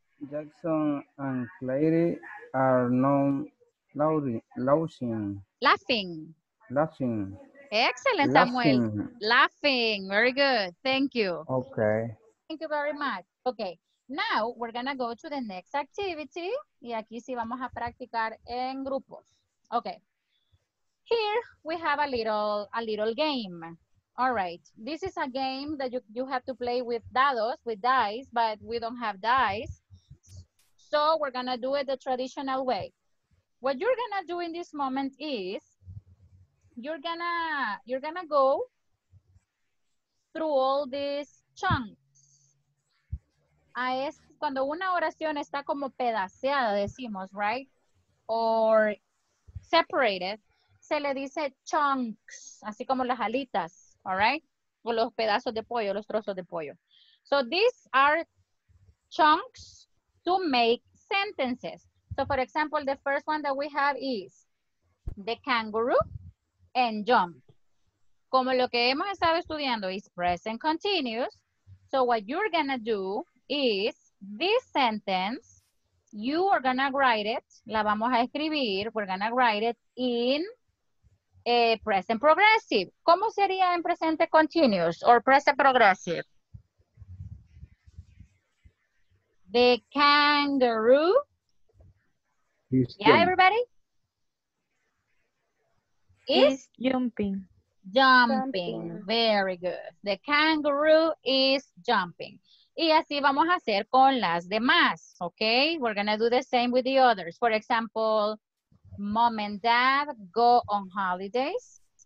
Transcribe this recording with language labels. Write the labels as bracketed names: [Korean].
[English] Jackson and Clary are not laughing. Laughing. Excellent, Samuel. Laughing. Very good. Thank you. Okay. Thank you very much. Okay. Now we're going to go to the next activity. [Spanish] Y aquí sí vamos a practicar en grupos. [English] Okay. Here we have a little game. All right. This is a game that you have to play with dados, with dice, but we don't have dice. So we're going to do it the traditional way. What you're going to do in this moment is you're going to go through all these chunks. [Spanish] Cuando una oración está como pedaceada, decimos, right? [English] Or separated, [Spanish] se le dice chunks, así como las alitas, [English] all right? [Spanish] O los pedazos de pollo, los trozos de pollo. [English] So these are chunks to make sentences. So for example, the first one that we have is the kangaroo and jump. [Spanish] Como lo que hemos estado estudiando [English] is present continuous. So what you're gonna do is this sentence, you are gonna write it, [Spanish] la vamos a escribir, [English] we're gonna write it in a present progressive. [Spanish] ¿Cómo sería en presente continuous [English] or present progressive? The kangaroo. Yeah, everybody? Is jumping. Jumping. Very good. The kangaroo is jumping. [Spanish] Y así vamos a hacer con las demás, okay? [English] We're gonna do the same with the others. For example, Mom and Dad go on holidays.